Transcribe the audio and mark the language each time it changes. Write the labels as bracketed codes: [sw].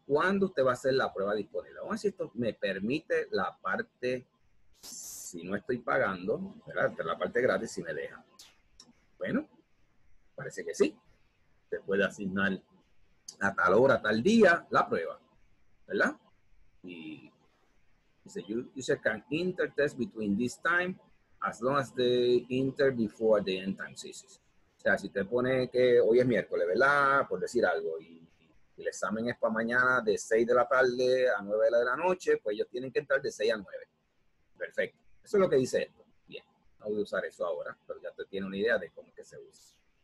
[es] ¿Cuándo usted va a hacer la prueba disponible? Vamos a ver si esto me permite la parte, si no estoy pagando, ¿verdad? La parte gratis, si me deja. Bueno, parece que sí. Se puede asignar a tal hora, a tal día, la prueba, ¿verdad? Y dice, [en] user can intertest between this time as long as they enter before the end time. [es] Sí, sí, sí. O sea, si te pone que hoy es miércoles, ¿verdad? Por decir algo, y el examen es para mañana de 6 de la tarde a 9 de la noche, pues ellos tienen que entrar de 6 a 9. Perfecto. Eso es lo que dice esto. Bien, no voy a usar eso ahora, pero ya te tiene una idea de cómo es que se usa.